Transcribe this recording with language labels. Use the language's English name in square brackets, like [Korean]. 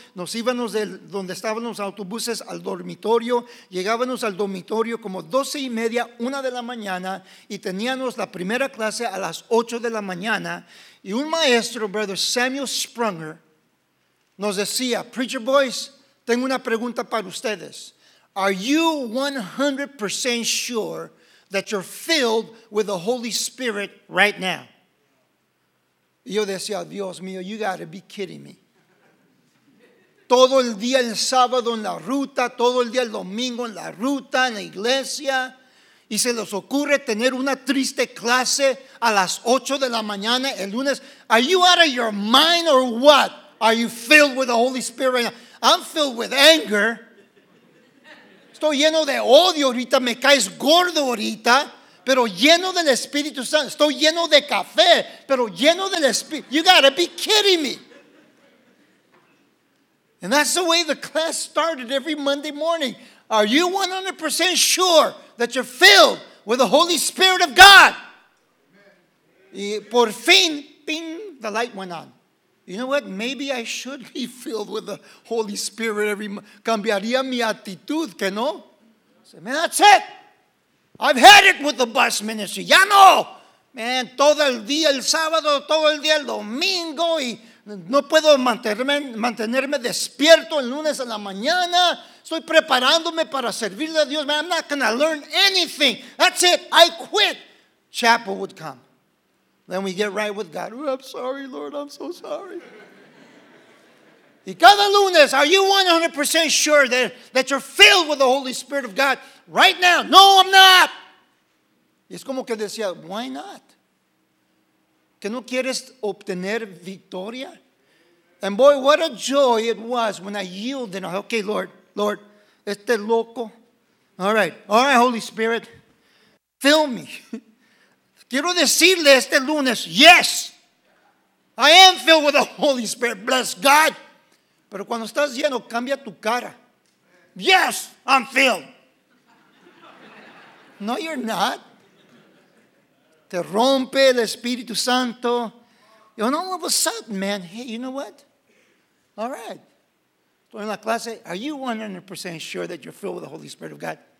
[Spanish] nos íbamos de donde estaban los autobuses al dormitorio, llegábamos al dormitorio como 12 y media, 1 de la mañana, y teníamos la primera clase a las 8 de la mañana, y un maestro, Brother Samuel Sprunger, nos decía, Preacher Boys, tengo una pregunta para ustedes. [English] Are you 100% sure that you're filled with the Holy Spirit right now? [Spanish] Y yo decía, Dios mío, [English] you gotta be kidding me. [Spanish] Todo el día el sábado en la ruta, todo el día el domingo en la ruta, en la iglesia. Y se les ocurre tener una triste clase a las 8 de la mañana el lunes. [English] Are you out of your mind or what? Are you filled with the Holy Spirit right now? I'm filled with anger. [Spanish] Estoy lleno de odio ahorita. Me caes gordo ahorita. Pero lleno del Espíritu Santo. Estoy lleno de café. Pero lleno del Espíritu. [English] You gotta be kidding me. And that's the way the class started every Monday morning. Are you 100% sure that you're filled with the Holy Spirit of God? [Spanish] Y por fin, [English] ping, the light went on. You know what? Maybe I should be filled with the Holy Spirit every month. [Spanish] Cambiaría mi actitud, ¿que no? [English] Say, man, that's it. I've had it with the bus ministry. [Spanish] Ya no. Man, todo el día el sábado, todo el día el domingo, y no puedo mantenerme despierto el lunes a la mañana. Estoy preparándome para servirle a Dios. [English] Man, I'm not going to learn anything. That's it. I quit. Chapel would come. Then we get right with God. Oh, I'm sorry, Lord. I'm so sorry. [Spanish] Y cada lunes, [English] are you 100% sure that you're filled with the Holy Spirit of God right now? No, I'm not. [Spanish] Y es como que decía, [English] why not? [Spanish] ¿Que no quieres obtener victoria? [English] And boy, what a joy it was when I yielded. Okay, Lord, [Spanish] este loco. [English] All right, Holy Spirit, fill me. [Spanish] Quiero decirle este lunes, [English] yes, I am filled with the Holy Spirit, bless God. [Spanish] Pero cuando estás lleno, cambia tu cara. [English] Yes, I'm filled. No, you're not. [Spanish] Te rompe el Espíritu Santo. [English] And all of a sudden, man, hey, you know what? All right. [Spanish] Estoy en la clase. [English] Are you 100% sure that you're filled with the Holy Spirit of God?